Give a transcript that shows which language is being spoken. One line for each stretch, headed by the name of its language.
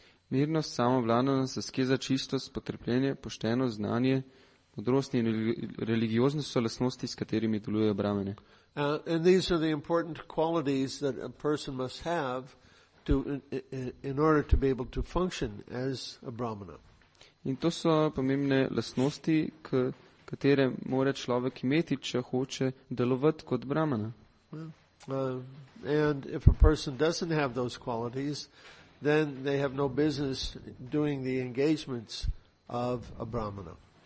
Slovenian: Mirnost, samovladanost, askeza, čistost, potrpljenje, poštenost, znanje, modrost in religioznost so lastnosti, s katerimi delujejo brahmane.
English: And these are the important qualities that a person must have to in order to be able to function as a brahmana.
Slovenian: In to so pomembne lastnosti, katere mora človek imeti, če hoče delovati kot brahmana.
English: And if a person doesn't have those qualities, then they have no business doing the engagements of a brahmana.